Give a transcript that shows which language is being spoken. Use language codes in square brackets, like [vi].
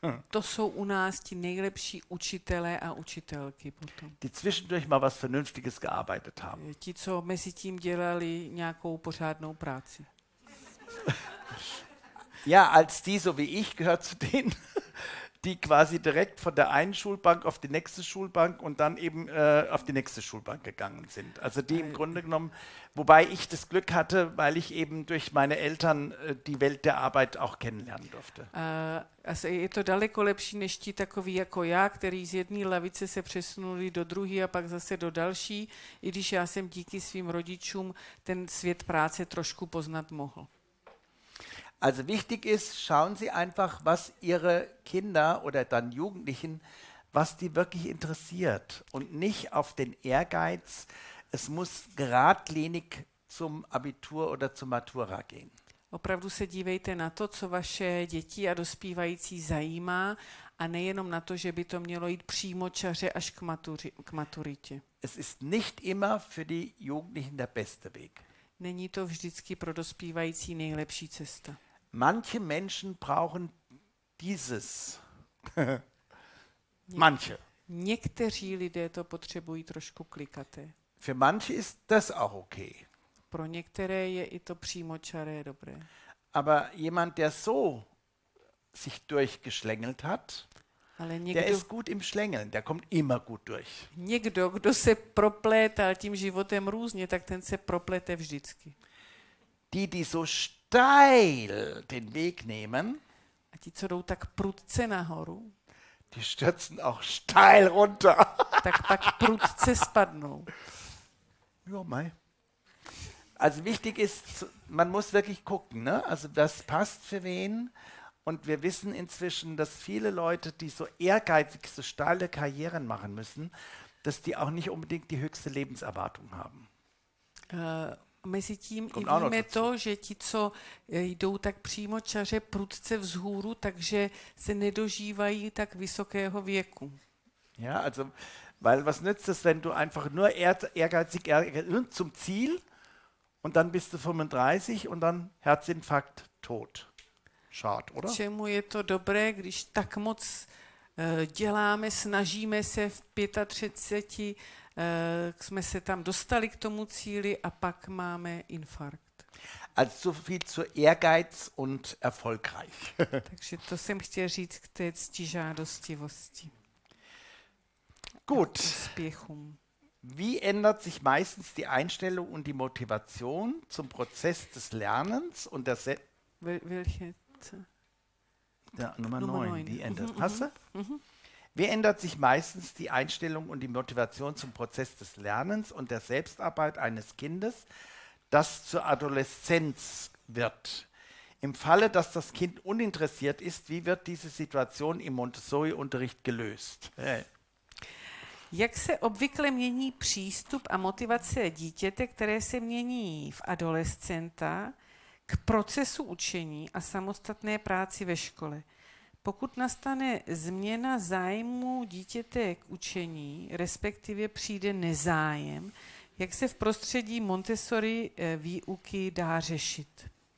[cs] To jsou u nás ti nejlepší učitelé a učitelky potom. [de] Die zwischendurch mal was Vernünftiges gearbeitet haben. [cs] Ti, co mezi tím dělali nějakou pořádnou práci. [de] Ja, als die, so wie ich, gehört zu denen, die quasi direkt von der einen Schulbank auf die nächste Schulbank und dann eben auf die nächste Schulbank gegangen sind. Also die im Grunde genommen, wobei ich das Glück hatte, weil ich eben durch meine Eltern die Welt der Arbeit auch kennenlernen durfte. [cs] Also je to daleko lepší než ti takový jako já, který z jedné lavice se přesunuli do druhé a pak zase do další, i když já jsem díky svým rodičům ten svět práce trošku poznat mohl. [de] Also wichtig ist, schauen Sie einfach, was Ihre Kinder oder dann Jugendlichen, was die wirklich interessiert und nicht auf den Ehrgeiz, es muss geradlinig zum Abitur oder zur Matura gehen. [cs] Opravdu se dívejte na to, co vaše děti a dospívající zajímá a nejenom na to, že by to mělo jít přímočaře až k maturitě. [de] Es ist nicht immer für die Jugendlichen der beste Weg. [cs] Není to vždycky pro dospívající nejlepší cesta. [de] Manche Menschen brauchen dieses. Manche. [cs] Někteří lidé to potřebují trošku klikaté. [de] Für manche ist das auch okay. [cs] Pro některé je i to přímočaré dobré. [de] Aber jemand, der so sich durchgeschlängelt hat, [cs] ale někdo, [de] der ist gut im Schlängeln, der kommt immer gut durch. [cs] Někdo, kdo se proplétal tím životem různě, tak ten se proplete vždycky. [de] Die, die so steil den Weg nehmen, [cs] a ti, co jdou tak prudce nahoru, [de] die stürzen auch steil runter. [cs] Tak pak prudce spadnou. [de] Jo, mei. Also wichtig ist, man muss wirklich gucken, ne? Also was passt für wen? Und wir wissen inzwischen, dass viele Leute, die so ehrgeizig, so steile Karrieren machen müssen, dass die auch nicht unbedingt die höchste Lebenserwartung haben. [cs] Mezi tím i víme to, že ti, co jdou tak přímočaře, prudce vzhůru, takže se nedožívají tak vysokého věku. [de] Ja, also, weil was nützt es, wenn du einfach nur ehrgeizig, zum Ziel und dann bist du 35 und dann Herzinfarkt, tot. Schade, oder? [cs] Čemu je to dobré, když tak moc děláme, snažíme se v 35, jsme se tam dostali k tomu cíli a pak máme infarkt. [de] Also so viel zu Ehrgeiz und erfolgreich. [cs] Takže to jsem chtěl říct k té cti žádostivosti. [de] Gut. [cs] Úspěchům. [de] Wie ändert sich meistens die Einstellung und die Motivation zum Prozess des Lernens und der Welche? Ja, Nummer 9, die ändert. Hast du? Wie ändert sich meistens die Einstellung und die Motivation zum Prozess des Lernens und der Selbstarbeit eines Kindes, das zur Adoleszenz wird? Im Falle, dass das Kind uninteressiert ist, wie wird diese Situation im Montessori-Unterricht gelöst? [cs] Jak se obvykle mění přístup a motivace dítěte, které se mění v adolescenta, k procesu učení a samostatné práci ve škole? Pokud nastane změna zájmu dítěte k učení, respektive přijde nezájem, jak se v prostředí Montessori výuky dá řešit?